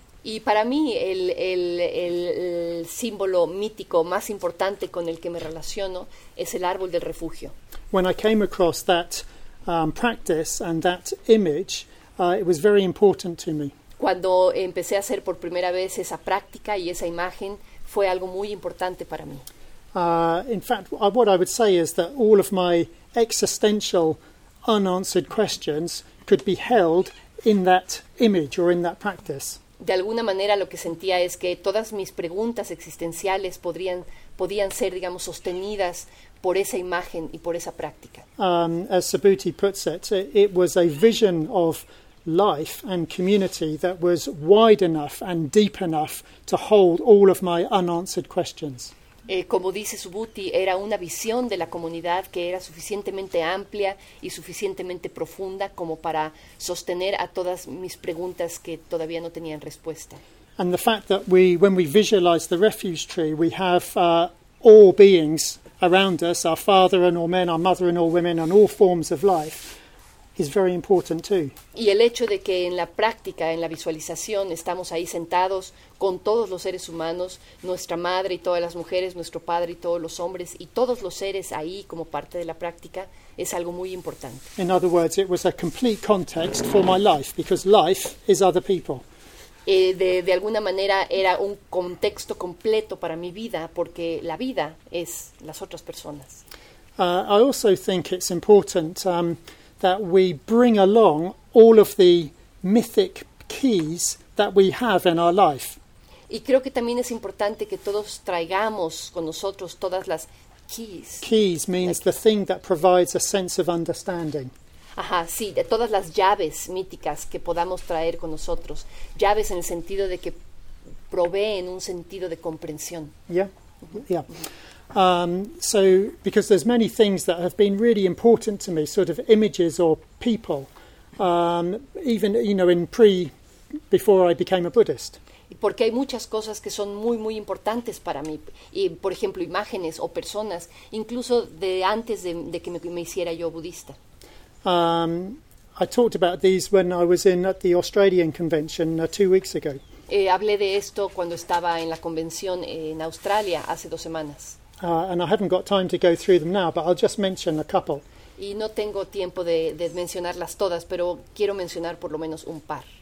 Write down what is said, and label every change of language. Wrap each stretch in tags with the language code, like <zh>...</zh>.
<es>Y para mí, el símbolo mítico más importante con el que me relaciono es el árbol del refugio.</es> <en>When I came across that practice and that image, it was very important to me.</en> <es>Cuando empecé a hacer por primera vez esa práctica y esa imagen, fue algo muy importante para mí.</es> <en>In fact, what I would say is that all of my existential unanswered questions could be held in that image or in that practice.</en> <es>De alguna manera, lo que sentía es que todas mis preguntas existenciales podían ser, digamos, sostenidas por esa imagen y por esa práctica.</es> <en>As Subhuti puts it, it was a vision of life and community that was wide enough and deep enough to hold all of my unanswered questions.</en> <es>Como dice Subhuti, era una visión de la comunidad que era suficientemente amplia y suficientemente profunda como para sostener a todas mis preguntas que todavía no tenían respuesta.</es> <en>And the fact that we, when we visualize the refuge tree, we have all beings around us, our father and all men, our mother and all women, and all forms of life, is very important too.</en> <es>Y el hecho de que en la práctica, en la visualización, estamos ahí sentados con todos los seres humanos, nuestra madre y todas las mujeres, nuestro padre y todos los hombres, y todos los seres ahí como parte de la práctica, es algo muy importante.</es> <en>In other words, it was a complete context for my life, because life is other people.</en> <es>De alguna manera era un contexto completo para mi vida, porque la vida es las otras personas.</es> <en>I also think it's important that we bring along all of the mythic keys that we have in our life.</en> <es>Y creo que también es importante que todos traigamos con nosotros todas las keys.</es> <en>Keys means the thing that provides a sense of understanding.</en> <es>Ajá, sí, de todas las llaves míticas que podamos traer con nosotros. Llaves en el sentido de que proveen un sentido de comprensión.</es> <en>Yeah, yeah. So, because there's many things that have been really important to me, sort of images or people, even, you know, before I became a Buddhist.</en> <es>Porque hay muchas cosas que son muy, muy importantes para mí. Y, por ejemplo, imágenes o personas, incluso de antes de que me hiciera yo budista.</es> <en>I talked about these when I was at the Australian convention 2 weeks ago.</en> <es>Hablé de esto cuando estaba en la convención en Australia hace 2 semanas.</es> <en>And I haven't got time to go through them now, but I'll just mention a couple.</en> <es>Y no tengo tiempo de mencionarlas todas, pero quiero mencionar por lo menos un par.</es>